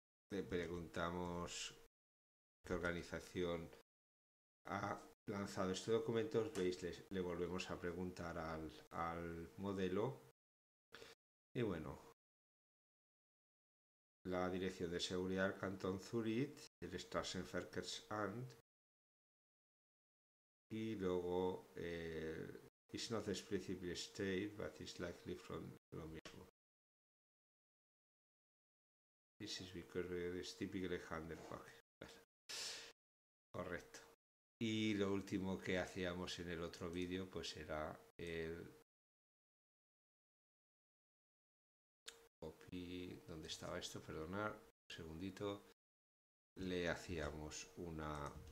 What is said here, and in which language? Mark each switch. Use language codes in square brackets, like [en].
[es] Le preguntamos qué organización ha lanzado este documento. Veis, le volvemos a preguntar al modelo. Y bueno, la dirección de seguridad del cantón Zurich, el Strassenverkehrsamt. Y luego, [en] it's not explicitly stated, but it's likely from [es] lo mismo. [en] This is because it's typically handled by. [es] Bueno, correcto. Y lo último que hacíamos en el otro vídeo, pues era el copy. ¿Dónde estaba esto? Perdonad, un segundito. Le hacíamos una.